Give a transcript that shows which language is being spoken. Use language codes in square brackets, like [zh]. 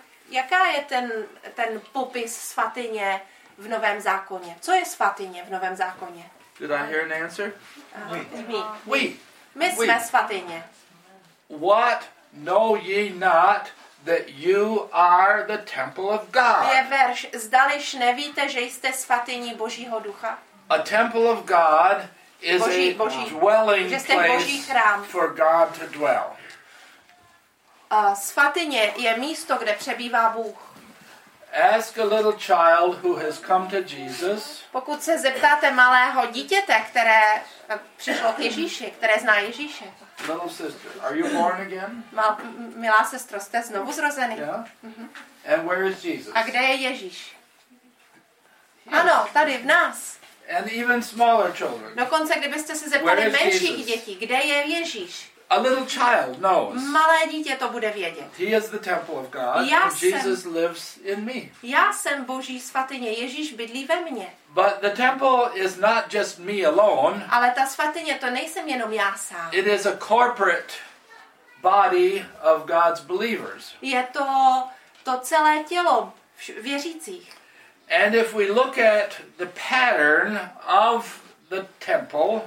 [cs] Jaká je ten popis svatyně v Novém zákoně? Co je svatyně v Novém zákoně? [en] Did I hear an answer? [cs] My jsme svatyně. [en] What know ye not that you are the temple of God? [cs] Je verš, zdališ nevíte, že jste svatyní Božího ducha? [en] A temple of God is [cs] Boží, [en] a dwelling place for God to dwell. [cs] Svatyně je místo, kde přebývá Bůh. [en] Ask a little child who has come to Jesus. [cs] Pokud se zeptáte malého dítěte, které přišlo k Ježíši, které zná Ježíše. [en] Little sister, are you born again? [cs] Milá sestro, jste znovu zrozený. [en] Yeah. Mm-hmm. And where is Jesus? [cs] A kde je Ježíš? Ano, tady v nás. [en] And even smaller children. [cs] Dokonce, kdybyste se zeptali menších dětí, kde je Ježíš? [en] A little child knows. [cs] Malé dítě to bude vědět. [en] He is the temple of God. And Jesus lives in me. [cs] Já jsem Boží svatyně. Ježíš bydlí ve mně. [en] But the temple is not just me alone. [cs] Ale ta svatyně to nejsem jenom já sám. [en] It is a corporate body of God's believers. [cs] Je to celé tělo věřících. [en] And if we look at the pattern of the temple.